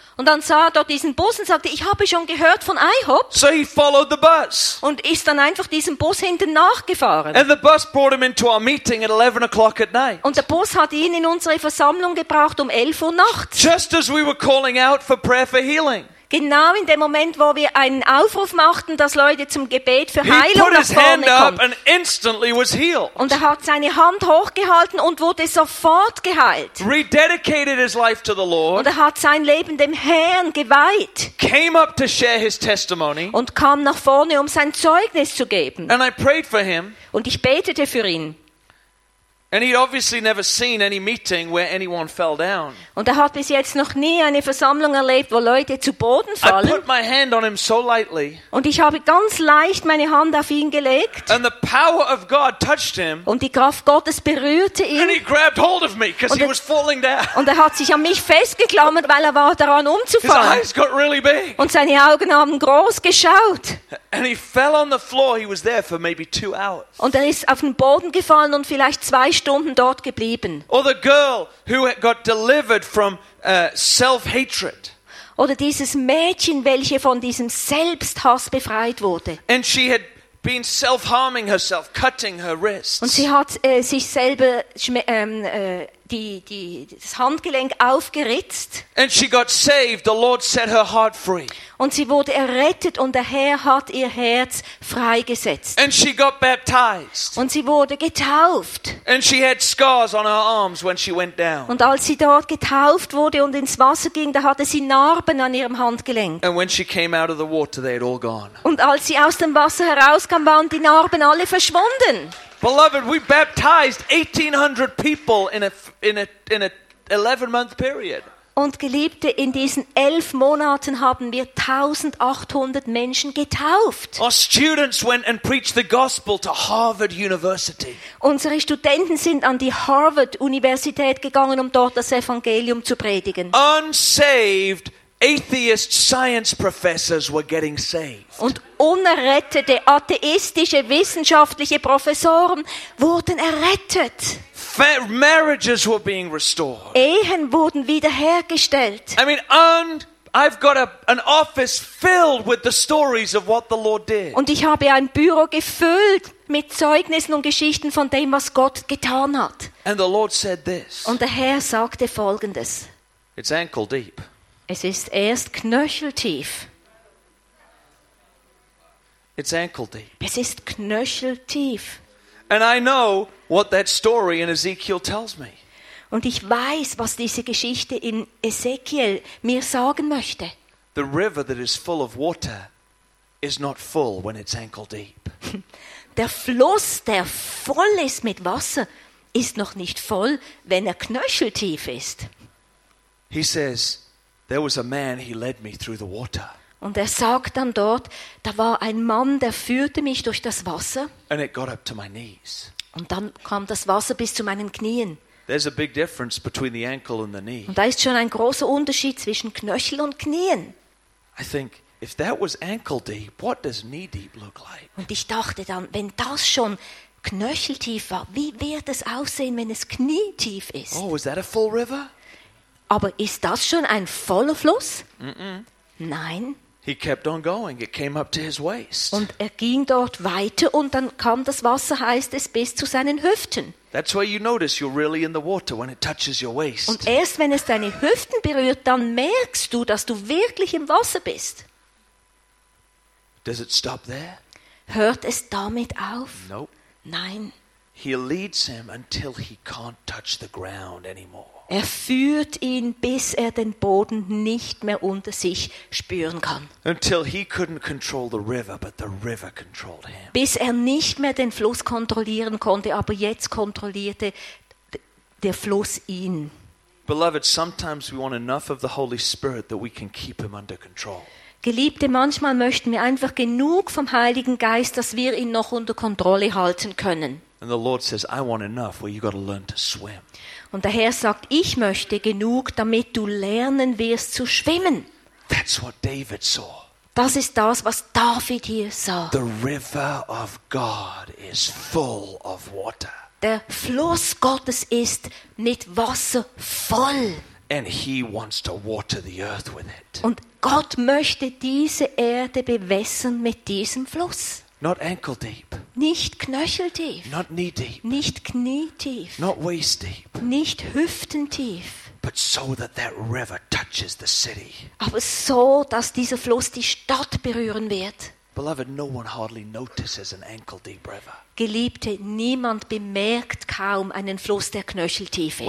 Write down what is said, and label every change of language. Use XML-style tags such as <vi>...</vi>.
<de>Und dann sah er dort diesen Bus und sagte, ich habe schon gehört von IHOP.</de> <en>So he followed the bus.</en> <de>Und ist dann einfach diesem Bus hinten nachgefahren.</de> <en>And the bus brought him into our meeting at 11 o'clock at night.</en> <de>Und der Bus hat ihn in unsere Versammlung gebracht um 11 Uhr nachts.</de> <en>Just as we were calling out for prayer for healing.</en> <de>Genau in dem Moment, wo wir einen Aufruf machten, dass Leute zum Gebet für Heilung nach vorne kommen.</de> <en>And instantly was healed.</en> <de>Und er hat seine Hand hochgehalten und wurde sofort geheilt.</de> <en>Rededicated his life to the Lord.</en> <de>Und er hat sein Leben dem Herrn geweiht.</de> <en>Came up to share his testimony.</en> <de>Und kam nach vorne, um sein Zeugnis zu geben.</de> <en>And I prayed for him.</en> <de>Und ich betete für ihn.</de> <en>And he'd obviously never seen any meeting where anyone fell down.</en> <de>Und er hat bis jetzt noch nie eine Versammlung erlebt, wo Leute zu Boden fallen.</de> <en>I put my hand on him so lightly.</en> <de>Und ich habe ganz leicht meine Hand auf ihn gelegt.</de> <en>And the power of God touched him.</en> <de>Und die Kraft Gottes berührte ihn.</de> <en>And he grabbed hold of me because he was falling down.</en> <de>Und er hat sich an mich festgeklammert, weil er war daran umzufallen.</de> <en>His eyes got really big.</en> <de>Und seine Augen haben groß geschaut.</de> <en>And he fell on the floor. He was there for maybe 2 hours.</en> <de>Und er ist auf den Boden gefallen und vielleicht 2 Stunden dort geblieben.</de> <en>Or the girl who got delivered from self-hatred.</en> <de>Oder dieses Mädchen, welche von diesem Selbsthass befreit wurde.</de> <en>And she had been self-harming herself, cutting her wrists.</en> <de>Und sie hat sich selber das Handgelenk aufgeritzt.</de> <en>And she got saved. The Lord set her heart free.</en> <de>Und sie wurde errettet und der Herr hat ihr Herz freigesetzt.</de> <en>And she got baptized.</en> <de>Und sie wurde getauft.</de> <en>And she had scars on her arms when she went down.</en> <de>Und als sie dort getauft wurde und ins Wasser ging, da hatte sie Narben an ihrem Handgelenk.</de> <en>And when she came out of the water, they had all gone.</en> <de>Und als sie aus dem Wasser herauskam, waren die Narben alle verschwunden.</de> <en>Beloved, we baptized 1800 people in a 11 month period.</en> <de>Und Geliebte, in diesen 11 Monaten haben wir 1800 Menschen getauft.</de> <en>Our students went and preached the gospel to Harvard University.</en> <de>Unsere Studenten sind an die Harvard Universität gegangen, um dort das Evangelium zu predigen.</de> <en>Unsaved atheist science professors were getting saved.</en> <de>Und unerrettete atheistische wissenschaftliche Professoren wurden errettet.</de> <en>Marriages were being restored.</en> <de>Ehen wurden wiederhergestellt.</de> <en>I mean, and I've got an office filled with the stories of what the Lord did.</en> <de>Und ich habe ein Büro gefüllt mit Zeugnissen und Geschichten von dem, was Gott getan hat.</de> <en>And the Lord said this.</en> <de>Und der Herr sagte Folgendes.</de> <en>It's ankle deep.</en> <de>Es ist erst knöcheltief.</de> <en>It's ankle deep.</en> <de>Es ist knöcheltief.</de> <en>And I know what that story in Ezekiel tells me.</en> <de>Und ich weiß, was diese Geschichte in Ezekiel mir sagen möchte.</de> <en>The river that is full of water is not full when it's ankle deep.</en> <de>Der Fluss, der voll ist mit Wasser, ist noch nicht voll, wenn er knöcheltief ist.</de> <en>He says, there was a man, he led me through the water.</en> <de>Und er sagt dann dort, da war ein Mann, der führte mich durch das Wasser.</de> <en>And it got up to my knees.</en> <de>Und dann kam das Wasser bis zu meinen Knien.</de> <en>There's a big difference between the ankle and the knee.</en> <de>Und da ist schon ein großer Unterschied zwischen Knöchel und Knien.</de> <en>I think, if that was ankle deep, what does knee deep look like?</en> <de>Und ich dachte dann, wenn das schon knöcheltief war, wie wird es aussehen, wenn es knietief ist?</de> <en>Oh, was that a full river?</en> <de>Aber ist das schon ein voller Fluss? Mm-mm. Nein.</de> <en>He kept on going. It came up to his waist.</en> <de>Und er ging dort weiter und dann kam das Wasser, heißt es, bis zu seinen Hüften.</de> <en>That's where you notice you're really in the water when it touches your waist.</en> <de>Und erst wenn es deine Hüften berührt, dann merkst du, dass du wirklich im Wasser bist.</de> <en>Does it stop there?</en> <de>Hört es damit auf?</de> <en>Nope.</en> <de>Nein.</de> <en>He leads him until he can't touch the ground anymore.</en> <de>Er führt ihn, bis er den Boden nicht mehr unter sich spüren kann.</de> <en>Until he couldn't control the river, but the river controlled him.</en> <de>Bis er nicht mehr den Fluss kontrollieren konnte, aber jetzt kontrollierte der Fluss ihn.</de> <en>Beloved, sometimes we want enough of the Holy Spirit that we can keep him under control.</en> <de>Geliebte, manchmal möchten wir einfach genug vom Heiligen Geist, dass wir ihn noch unter Kontrolle halten können.</de> <en>And the Lord says, I want enough where you got to learn to swim.</en> <de>Und der Herr sagt, ich möchte genug, damit du lernen wirst zu schwimmen.</de> <en>That's what David saw.</en> <de>Das ist das, was David hier sagt.</de> <en>The river of God is full of water.</en> <de>Der Fluss Gottes ist mit Wasser voll.</de> <en>And he wants to water the earth with it.</en> <de>Und Gott möchte diese Erde bewässern mit diesem Fluss.</de> <en>Not ankle deep.</en> <de>Nicht knöcheltief.</de> <en>Not knee deep.</en> <de>Nicht knietief.</de> <en>Not waist deep.</en> <de>Nicht hüftentief.</de> <en>But so that that river touches the city.</en> <de>Aber so, dass dieser Fluss die Stadt berühren wird.</de> <en>Beloved, no one hardly notices an ankle deep river.</en> <de>Geliebte, niemand bemerkt kaum einen Fluss, der knöcheltief ist.</de>